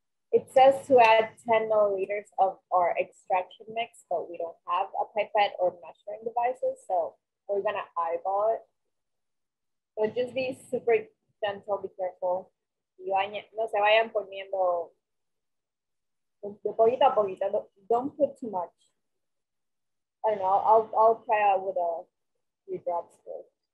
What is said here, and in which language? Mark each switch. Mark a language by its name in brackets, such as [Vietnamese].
[English] It says to add 10 milliliters of our extraction mix, but we don't have a pipette or measuring devices, so we're gonna eyeball it. So just be super gentle, be careful. [Spanish] No se vayan poniendo de poquito a poquito. [English] Don't put too much. I don't know, I'll try out with a few drops first.